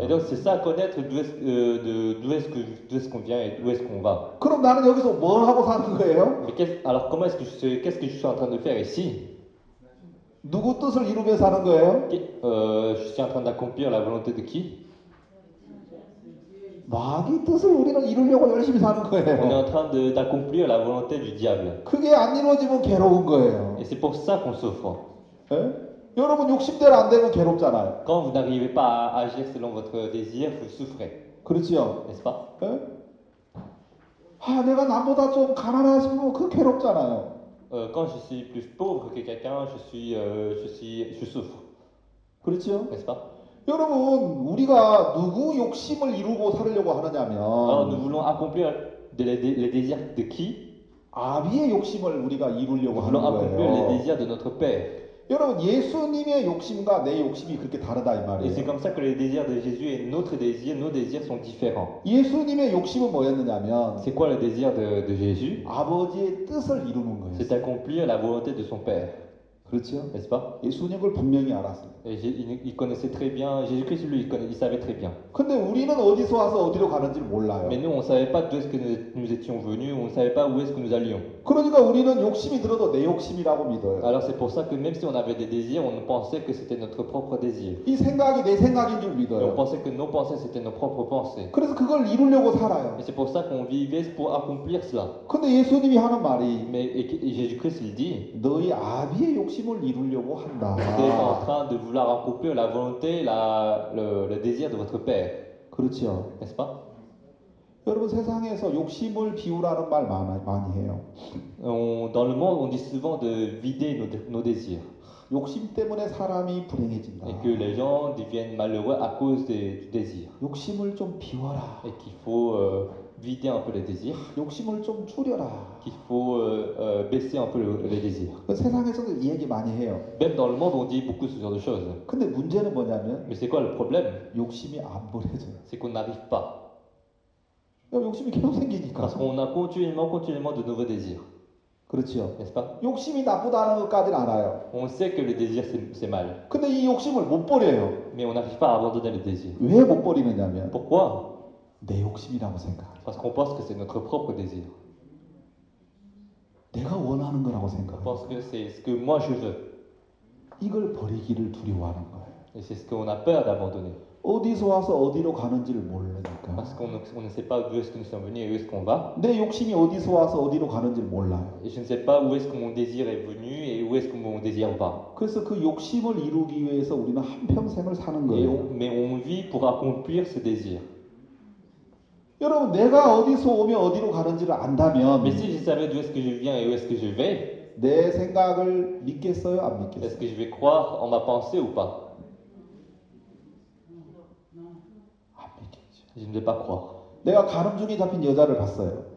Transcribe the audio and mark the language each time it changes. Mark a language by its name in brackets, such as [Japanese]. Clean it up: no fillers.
[French] Et donc, c'est ça, connaître d'où est-ce qu'on vient et d'où est-ce qu'on va. [Korean] 그럼 나는 여기서 뭘 하고 사는 거예요? [French] Alors, comment est-ce que qu'est-ce que je suis en train de faire ici? [Korean] 누구 뜻을 이루며 사는 거예요? [French] Je suis en train d'accomplir la volonté de qui? [Korean] 마귀 뜻을 우리는 이루려고 열심히 사는 [French] On est en train d'accomplir la volonté du diable. [Korean] 그게 안 이루어지면 괴로운 거예요. [French] Et c'est pour ça qu'on souffre. [Korean] 여러분 욕심대로 안 되면 괴롭잖아요. [French] Quand vous n'arrivez pas à agir selon votre désir, vous souffrez. [Korean] 그렇죠. [French] N'est-ce pas? [Korean] 아, 내가 남보다 좀 가난하시면 그 괴롭잖아요. [French] Quand je suis plus pauvre que quelqu'un, je souffre. [Korean] 그렇죠. [French] N'est-ce pas? [Korean] 여러분, 우리가 누구 욕심을 이루고 살려고 하느냐면 [French] Alors, nous voulons accomplir les désirs de qui? [Korean] 아비의 욕심을 우리가 이루려고 하는 [French] voulons accomplir [Korean] 거예요. [French] les désirs de notre père. [Korean] 여러분, 예수님의 욕심과 내 욕심이 그렇게 다르다 이 말이에요. [French] Et c'est comme ça que les désirs de Jésus et notre désir, nos désirs sont différents. [Korean] 예수님의 욕심은 뭐였느냐면 [French] C'est quoi le désir de Jésus? [Korean] 아버지의 뜻을 이루는 거예요. [French] C'est accomplir la volonté de son père. [Korean] 그렇죠? [French] N'est-ce pas? [Korean] 예수님 그걸 분명히 알았어요. [French] Il connaissait très bien Jésus-Christ lui il savait très bien. [Korean] 근데 우리는 어디서 와서 어디로 가는지를 몰라요. [French] Mais nous on savait pas d'où est-ce que nous étions venus, on savait pas où est-ce que nous allions. [Korean] 그러니까 우리는 욕심이 들어도 내 욕심이라고 믿어요. [French] Alors c'est pour ça que même si on avait des désirs, on pensait que c'était notre propre désir. [Korean] 이 생각이 내 생각인 줄 믿어요. [French] Et on pensait que nos pensées c'était nos propres pensées. [Korean] 그래서 그걸 이루려고 살아요. [French] Et c'est pour ça qu'on vivait pour accomplir cela. [Korean] 근데 예수님이 하는 말이 [French] Mais Jésus-Christ il dit [Korean] 너희 아비의 욕심 이루려고 한다. [French] Vous êtes en train de vouloir accomplir la volonté, le désir de votre père. [Korean] 그렇죠. [French] N'est-ce pas? [Korean] 여러분 세상에서 욕심을 비우라는 말 많이 해요. [French] Dans le monde, on dit souvent de vider nos désirs. [Korean] 욕심 때문에 사람이 불행해진다. [French] Et que les gens deviennent malheureux à cause du désir. [Korean] 욕심을 좀 비워라. [French] Et qu'il faut vider un peu les désirs. [Korean] 욕심을 좀 줄여라. [French] Qu'il faut baisser un peu les désirs. [Korean] 세상에서도 이 얘기 많이 해요. [French] Même dans le monde, on dit beaucoup ce genre de choses. [Korean] 근데 문제는 뭐냐면 [French] Mais c'est quoi le problème? [Korean] 욕심이 안 버려져요. [French] C'est qu'on n'arrive pas. [Korean] 욕심이 계속 생기니까. [French] Parce qu'on a continuellement de nouveaux désirs. [Korean] 그렇지요. [French] N'est-ce pas? [Korean] 욕심이 나쁘다는 것까지는 알아요. [French] On sait que le désir, c'est mal. [Korean] 근데 이 욕심을 못 버려요. [French] Mais on n'arrive pas à abandonner le désir. [Korean] 왜못 버리느냐면 [French] Pourquoi? [Korean] 내 욕심이라고 [French] Parce qu'on pense que c'est notre propre désir. [Korean] 내가 원하는 거라고 생각. [French] Parce que c'est ce que moi je veux. [Korean] 이걸 버리기를 두려워하는 거예요. [French] Et c'est ce qu'on a peur d'abandonner. [Korean] 어디서 와서 어디로 가는지를 모르니까. [French] Parce qu'on ne sait pas d'où est-ce que nous sommes venus et où est-ce qu'on va. [Korean] 내 욕심이 어디서 와서 어디로 가는지를 몰라요. [French] Et je ne sais pas où est-ce que mon désir est venu et où est-ce que mon désir va. [Korean] 그래서 그 욕심을 이루기 위해서 우리는 한 평생을 사는 거예요. [French] Mais on vit pour accomplir ce désir. [Korean] 여러분, 내가 어디서 오면 어디로 가는지를 안다면, [French] Mais si je savais d'où est-ce que je viens et où est-ce que je vais, [Korean] 내 생각을 믿겠어요, 안 믿겠어요? [French] Est-ce que je vais croire en ma pensée ou pas? [Korean] 안 믿겠죠. [French] Je ne vais pas croire. [Korean] 내가 가늠 중에 잡힌 여자를 봤어요.